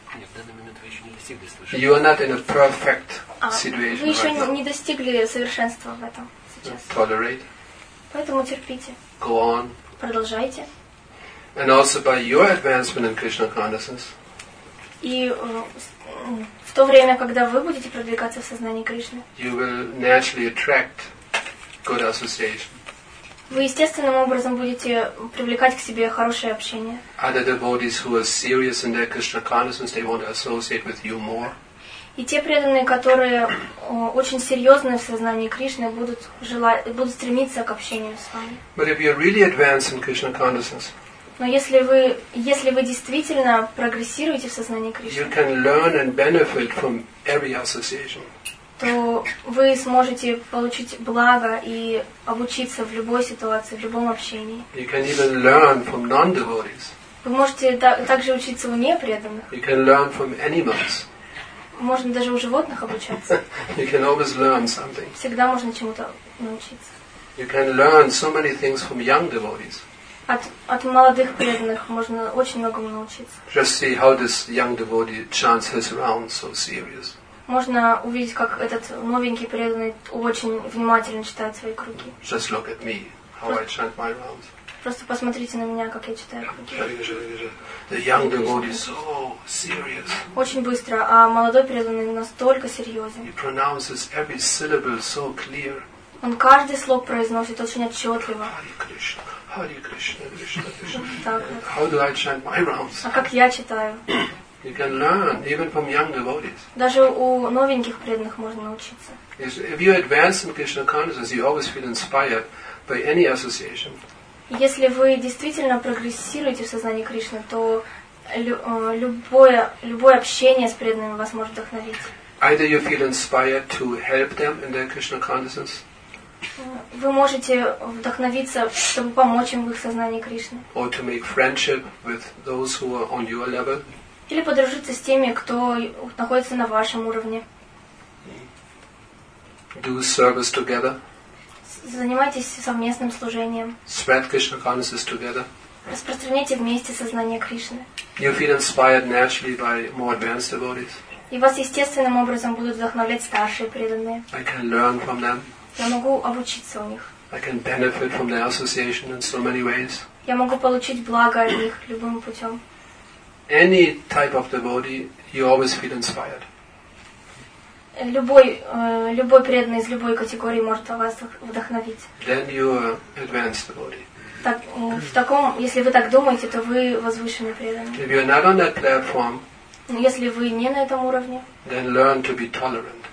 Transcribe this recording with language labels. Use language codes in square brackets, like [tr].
[ru] Нет, в данный момент вы еще не достигли совершенства. [en] You are not in a perfect situation. [ru] Вы еще не достигли совершенства в этом сейчас. [en] Tolerate. [ru] Поэтому терпите. [en] Go on. [ru] Продолжайте. [en] And also by your advancement in Krishna consciousness. [ru] И в то время, когда вы будете продвигаться в сознании Кришны, [en] you will naturally attract good association. [ru] Вы естественным образом будете привлекать к себе хорошее общение. [en] Other devotees who are serious in their Krishna consciousness, they want to associate with you more. [ru] И те преданные, которые очень серьезны в сознании Кришны, будут стремиться к общению с вами. [en] But if you're really advanced in Krishna consciousness, [ru] но если вы действительно прогрессируете в сознании Кришны, то вы сможете получить благо и обучиться в любой ситуации, в любом общении. [en] You can even learn from non-devotees. [ru] Вы можете также учиться у непреданных. [en] You can learn from animals. [ru] Можно даже у животных обучаться. [en] You can always learn something. [ru] Всегда можно чему-то научиться. [en] You can learn so many things from young devotees. [ru] От молодых преданных можно очень многому научиться. [en] Just see how this young devotee chants his round so serious. [ru] Можно увидеть, как этот новенький преданный очень внимательно читает свои круги. [en] Just look at me, how I chant my rounds. [ru] Просто посмотрите на меня, как я читаю круги. [en] The young devotee is so serious. [ru] Очень быстро, а молодой преданный настолько серьезен. [en] He pronounces every syllable so clear. [ru] Он каждый слог произносит очень отчетливо. [en] How do I chant my rounds? [ru] А как я читаю? [en] You can learn even from young devotees. [ru] Даже у новеньких преданных можно научиться. [en] If you advance in Krishna consciousness, you always feel inspired by any association. [ru] Если вы действительно прогрессируете в сознании Кришны, то любое общение с преданными вас может вдохновить. [en] Either you feel inspired to help them in their Krishna consciousness. [ru] Вы можете вдохновиться, чтобы помочь им в их сознании Кришны. [en] Or to make friendship with those who are on your level. [ru] Или подружиться с теми, кто находится на вашем уровне. [en] Do service together. [ru] Занимайтесь совместным служением. [en] Spread Krishna consciousness together. [ru] Распространяйте вместе сознание Кришны. [en] You feel inspired naturally by more advanced devotees. [ru] И вас естественным образом будут вдохновлять старшие преданные. [en] I can learn from them. [ru] Я могу обучиться у них. [en] I can benefit from their association in so many ways. [ru] Я могу получить благо от них любым путем. [en] Any type of devotee, you always feel inspired. [ru] Любой преданный из любой категории может вас вдохновить. [en] Then you are advanced devotee. [ru] Так, в таком, если вы так думаете, то вы возвышенный преданный. [en] If you are not on that platform, [ru] если вы не на этом уровне, [en] then learn to be tolerant.